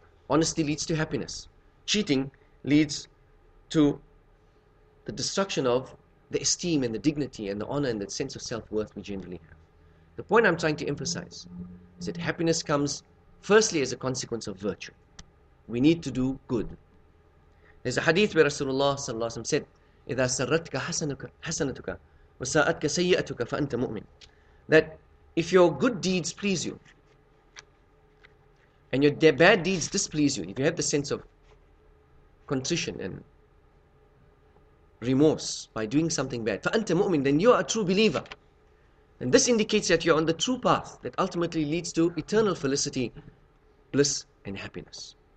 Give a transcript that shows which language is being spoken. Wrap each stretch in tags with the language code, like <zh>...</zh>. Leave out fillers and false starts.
<en>Honesty leads to happiness. Cheating leads to the destruction of the esteem and the dignity and the honor and the sense of self-worth we generally have. The point I'm trying to emphasize is that happiness comes firstly as a consequence of virtue. We need to do good. There's a hadith where Rasulullah said,</en> <ar>إِذَا سَرَّتْكَ حَسَنَتُكَ وَسَاءَتْكَ سَيِّئَتُكَ فَأَنْتَ مُؤْمِنٌ.</ar> <en>That if your good deeds please you and your bad deeds displease you, if you have the sense of contrition and remorse by doing something bad,</en> <ar>فَأَنْتَ مُؤْمِنٌ,</ar> <en>then you are a true believer. And this indicates that you are on the true path that ultimately leads to eternal felicity, bliss and happiness.</en>